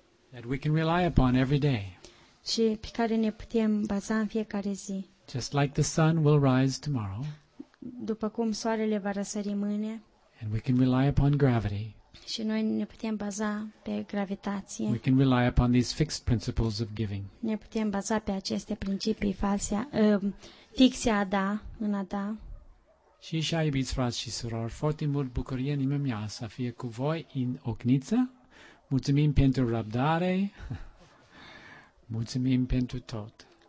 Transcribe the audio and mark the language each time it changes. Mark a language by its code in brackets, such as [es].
[en] That we can rely upon every day. [ro] Și pe care ne putem baza în fiecare zi. [en] Just like the sun will rise tomorrow. [ro] După cum soarele va răsări mâine. [en] And we can rely upon gravity. [ro] Și noi ne putem baza pe gravitație. [en] We can rely upon these fixed principles of giving. [ro] Ne putem baza pe aceste principii false, fixe a da, în a da. Și așa, iubiți frați și surori, foarte mult bucurie în inima mea să fie cu voi în Ocniță. Mulțumim pentru răbdare. Mulțumim pentru tot.